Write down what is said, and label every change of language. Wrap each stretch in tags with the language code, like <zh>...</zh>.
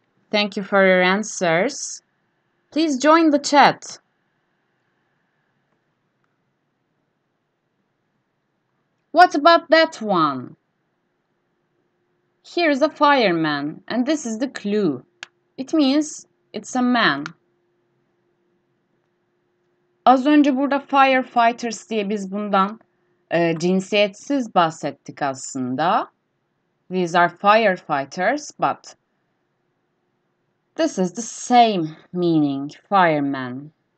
<en>Thank you for your answers. Please join the chat. What about that one? Here is a fireman, and this is the clue. It means it's a man.</en> <tr>Az önce burada firefighters diye biz bundan cinsiyetsiz bahsettik aslında.</tr> <en>These are firefighters, but this is the same meaning, fireman.</en>